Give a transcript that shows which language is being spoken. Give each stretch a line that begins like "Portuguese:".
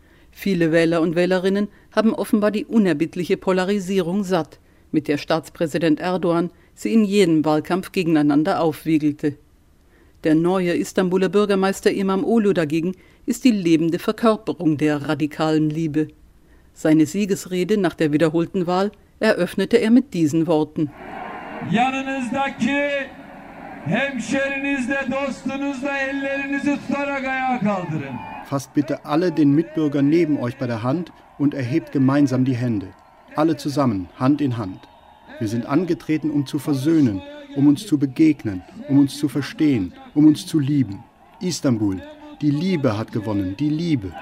German: Viele Wähler und Wählerinnen haben offenbar die unerbittliche Polarisierung satt, mit der Staatspräsident Erdogan sie in jedem Wahlkampf gegeneinander aufwiegelte. Der neue Istanbuler Bürgermeister Imam Olu dagegen ist die lebende Verkörperung der radikalen Liebe. Seine Siegesrede nach der wiederholten Wahl eröffnete er mit diesen Worten.
Turkish: Yanınızdaki hemşerinizle, dostunuzla ellerinizi tutarak ayağa kaldırın.
German: Fasst bitte alle den Mitbürger neben euch bei der Hand und erhebt gemeinsam die Hände. Alle zusammen, Hand in Hand. Wir sind angetreten, um zu versöhnen, um uns zu begegnen, um uns zu verstehen, um uns zu lieben. Istanbul, die Liebe hat gewonnen, die Liebe.